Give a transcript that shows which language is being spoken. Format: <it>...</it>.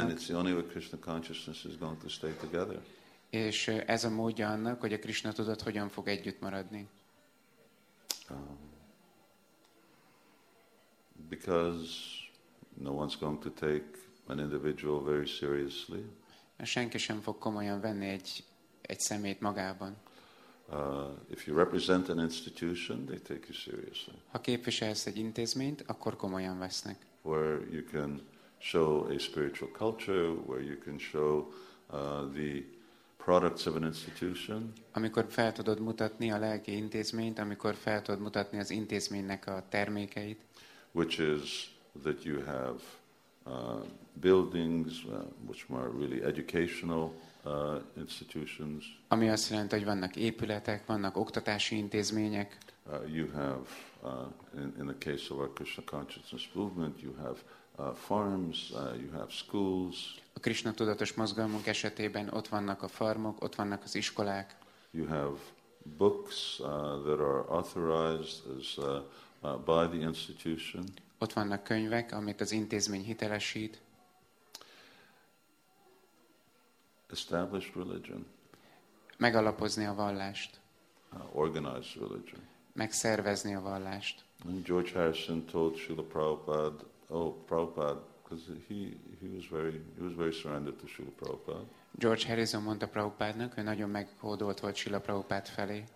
<en>And it's the only way Krishna consciousness is going to stay together.</en> <hu>És ez a módja annak, hogy a Krishna tudat hogyan fog együtt maradni.</hu> <en>Because no one's going to take an individual very seriously.</en> <hu>Senki sem fog komolyan venni egy szemét magában.</hu> <en>If you represent an institution, they take you seriously.</en> <hu>Ha képviselsz egy intézményt, akkor komolyan vesznek.</hu> <en>Where you can show a spiritual culture, where you can show the products of an institution.</en> <hu>Amikor fel tudod mutatni a lelki intézményt, amikor fel tudod mutatni az intézménynek a termékeit.</hu> <en>Which is that you have buildings, which are really educational institutions.</en> <hu>Ami azt jelenti, hogy vannak épületek, vannak oktatási intézmények.</hu> <en>You have, in the case of our Krishna consciousness movement, you have farms, you have schools.</en> <hu>A Krishna tudatos mozgalmunk esetében ott vannak a farmok, ott vannak az iskolák.</hu> <en>You have books that are authorized as by the institution.</en> <hu>Ott vannak könyvek, amit az intézmény hitelesít.</hu> <en>Established religion.</en> <hu>Megalapozni a vallást.</hu> <en>Organized religion.</en> <hu>Megszervezni a vallást.</hu> <en>And George Harrison told Srila Prabhupada, because he was very surrendered to Srila Prabhupada.</en> <hu>George Harrison mondta Prabhupádnak, hogy nagyon meghódolt volt Srila Prabhupád felé.</hu>